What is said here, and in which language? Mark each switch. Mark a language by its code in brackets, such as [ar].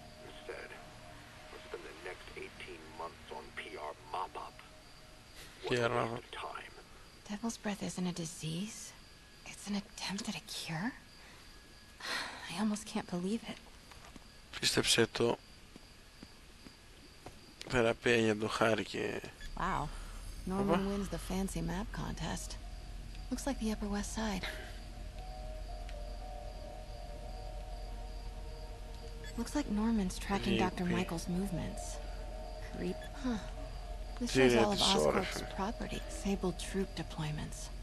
[en] Instead, we'll spend the next 18 months on PR mop-up. Devil's breath isn't a disease. It's an attempt at a cure. I almost can't believe it. [el] Πίστεψε το. Θεραπεία για το χάρη και... [en] Wow. Norman wins the fancy map contest. Looks like the Upper West Side. Looks like Norman's tracking Dr. Michael's movements. Creep, huh? This is all of Oscorp's property, Sable troop deployments.